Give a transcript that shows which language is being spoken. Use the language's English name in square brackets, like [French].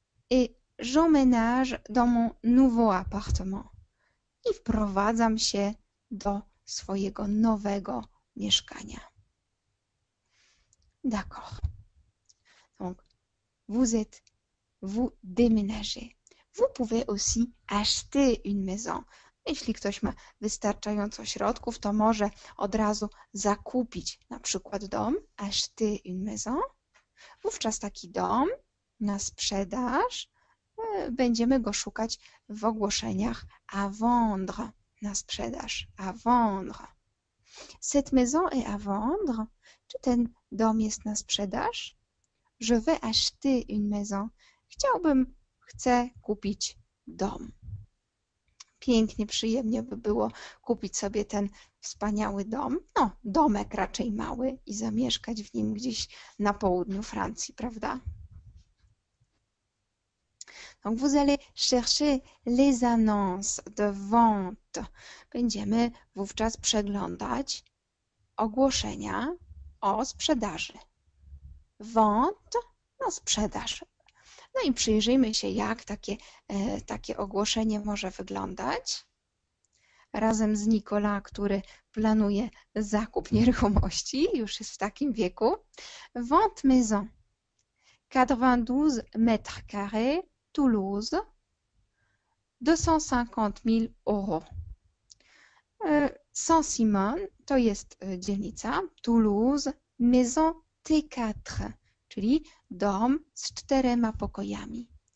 [French] Et j'emménage dans mon nouveau appartement. [Polish] I wprowadzam się do swojego nowego mieszkania. [French] D'accord. Donc, vous êtes, vous déménagez. Vous pouvez aussi acheter une maison. [Polish] Jeśli ktoś ma wystarczająco środków, to może od razu zakupić na przykład dom, [French] acheter une maison. [Polish] Wówczas taki dom na sprzedaż, będziemy go szukać w ogłoszeniach [French] à vendre, [Polish] na sprzedaż, à vendre. [French] Cette maison est à vendre. [Polish] Czy ten dom jest na sprzedaż? [French] Je vais acheter une maison. [Polish] Chciałbym, chcę kupić dom. Pięknie, przyjemnie by było kupić sobie ten wspaniały dom, no domek raczej mały i zamieszkać w nim gdzieś na południu Francji, prawda? [French] Donc vous allez chercher les annonces de vente. [Polish] Będziemy wówczas przeglądać ogłoszenia o sprzedaży. Vente, no sprzedaż. No i przyjrzyjmy się, jak takie ogłoszenie może wyglądać. Razem z Nicolas, który planuje zakup nieruchomości, już jest w takim wieku. [French] Vente maison. 92 mètres carrés, Toulouse. 250 000 euros. [Polish] Saint-Simon, to jest dzielnica. Toulouse, [French] maison T4. [Polish] Czyli dom z czterema pokojami.